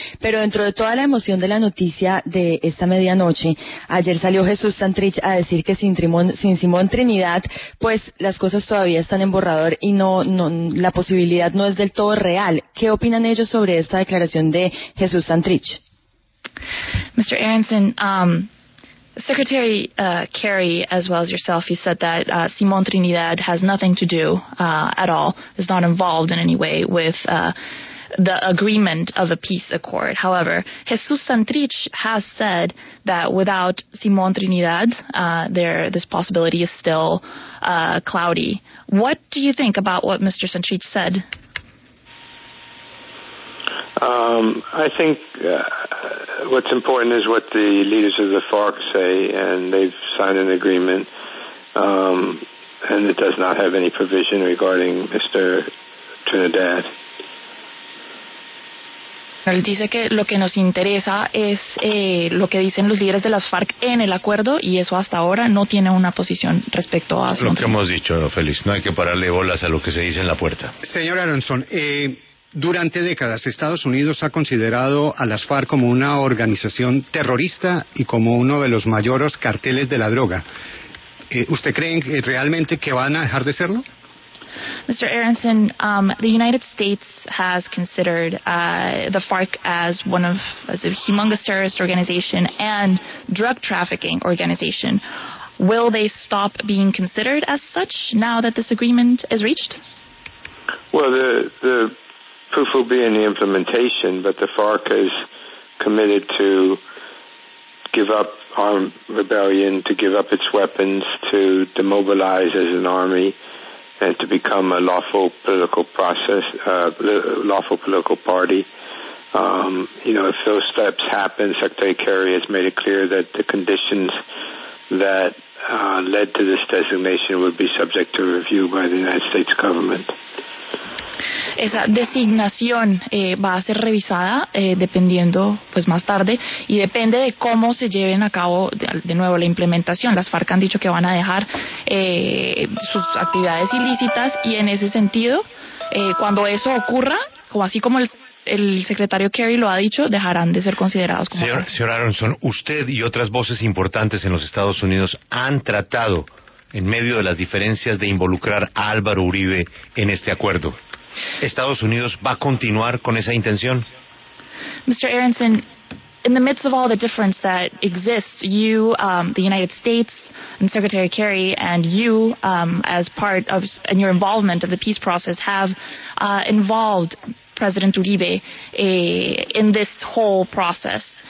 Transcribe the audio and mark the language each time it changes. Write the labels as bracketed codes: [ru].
[es] Pero dentro de toda la emoción de la noticia de esta medianoche, ayer salió Jesús Santrich a decir que sin Simón Trinidad, pues las cosas todavía están en borrador y no la posibilidad no es del todo real. ¿Qué opinan ellos sobre esta declaración de Jesús Santrich? [en] Mr. Aronson, Secretary Kerry, as well as yourself, you said that Simón Trinidad has nothing to do at all, is not involved in any way with the agreement of a peace accord. However, Jesús Santrich has said that without Simón Trinidad, this possibility is still cloudy. What do you think about what Mr. Santrich said? I think what's important is what the leaders of the FARC say, and they've signed an agreement, and it does not have any provision regarding Mr. Trinidad. [es] Él dice que lo que nos interesa es lo que dicen los líderes de las FARC en el acuerdo, y eso hasta ahora no tiene una posición respecto a... Lo que hemos dicho, Félix, no hay que pararle bolas a lo que se dice en la puerta. Señor Aronson, durante décadas Estados Unidos ha considerado a las FARC como una organización terrorista y como uno de los mayores carteles de la droga. ¿Usted cree realmente que van a dejar de serlo? [en] Mr. Aronson, the United States has considered the FARC as a humongous terrorist organization and drug trafficking organization. Will they stop being considered as such now that this agreement is reached? Well, the proof will be in the implementation, but the FARC has committed to give up armed rebellion, to give up its weapons, to demobilize as an army, and to become a lawful political process, lawful political party. You know, if those steps happen, Secretary Kerry has made it clear that the conditions that led to this designation would be subject to review by the United States government. [es] Esa designación va a ser revisada dependiendo, pues más tarde, y depende de cómo se lleven a cabo de nuevo la implementación. Las FARC han dicho que van a dejar sus actividades ilícitas, y en ese sentido, cuando eso ocurra, como así como el el secretario Kerry lo ha dicho, dejarán de ser considerados como terroristas. Señor Aronson, usted y otras voces importantes en los Estados Unidos han tratado, en medio de las diferencias, de involucrar a Álvaro Uribe en este acuerdo. ¿Estados Unidos va a continuar con esa intención? [en] Mr. Aronson, in the midst of all the difference that exists, you, the United States, and Secretary Kerry, and you, as part of and your involvement of the peace process, have involved President Uribe in this whole process.